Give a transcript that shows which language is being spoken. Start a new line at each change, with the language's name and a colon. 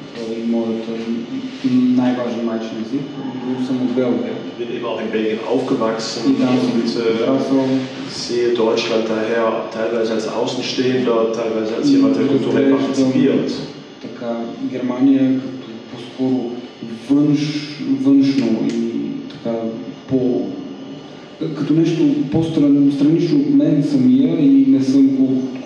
Bulgarian: И моят най-важен майчин език, но съм от Белгия. И там съм израсъл.
German: Sehe Deutschland daher teilweise als Außenstehender, teilweise als jemand, der kulturell partizipiert.
Bulgarian: Така, Германия като по-скоро външно и така по... като нещо по-странично от мен самия и не съм го...